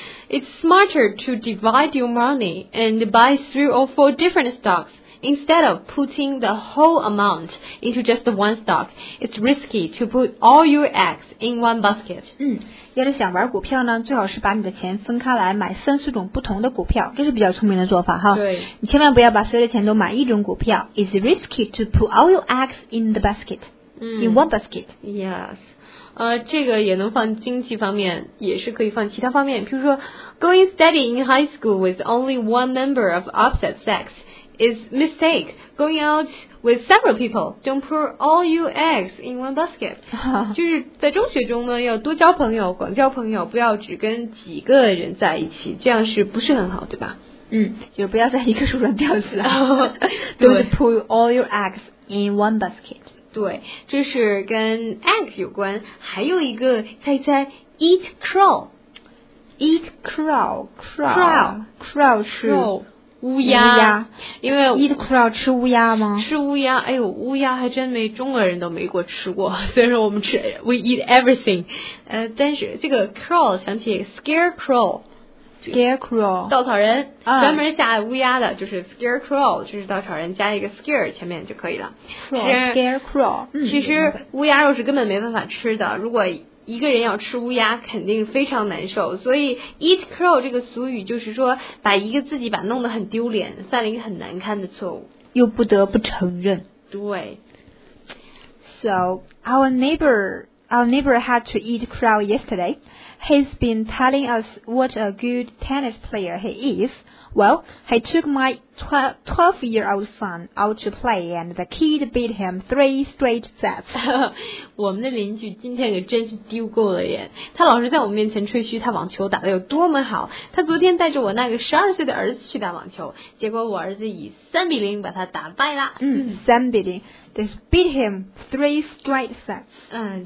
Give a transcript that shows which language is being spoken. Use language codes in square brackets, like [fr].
[en] It's smarter to divide your money and buy three or four different stocks. Instead of putting the whole amount into just one stock, it's risky to put all your eggs in one basket. [zh] 要是想玩股票呢，最好是把你的钱分开来买三四种不同的股票，这是比较聪明的做法哈。对，你千万不要把所有的钱都买一种股票。 [en] It's risky to put all your eggs in the basket. In one basket. Yes. [zh] 这个也能放经济方面，也是可以放其他方面。比如说 [en] ，going steady in high school with only one member of opposite sex is mistake. Going out with several people, don't put all your eggs in one basket. [zh] 就是在中学中呢，要多交朋友，广交朋友，不要只跟几个人在一起，这样是不是很好，对吧？嗯，就不要在一个树上吊死了。 [en] Don't put all your eggs in one basket. [zh] 对，这是跟 egg 有关，还有一个猜一猜 ， [en] eat crow， eat crow， crow， crow， [zh] crow 吃乌鸦，因为 [en] eat crow [zh] 吃乌鸦吗？吃乌鸦，哎呦，乌鸦还真没，中国人都没过吃过，虽然说我们吃 ， [en] we eat everything， [zh] 但是这个 crow 想起 scarecrow。 [en] Scarecrow [zh] 稻草人专门吓乌鸦的就是 Scarecrow 就是稻草人加一个 Scare 前面就可以了 [en] Scarecrow [zh] 其实乌鸦肉是根本没办法吃的如果一个人要吃乌鸦肯定非常难受所以 [en] Eat Crow [zh] 这个俗语就是说把一个自己把弄得很丢脸犯了一个很难堪的错误又不得不承认对 [en] So our neighbor had to eat crow yesterdayHe's been telling us what a good tennis player he is. Well, he took my 12-year-old son out to play and the kid beat him 3 straight sets. [zh] 我们的邻居今天可真是丢够了耶。他老是在我面前吹嘘他网球打得有多么好。他昨天带着我那个12岁的儿子去打网球结果我儿子以3-0把他打败了。 [en] 3-0. They beat him 3 straight sets.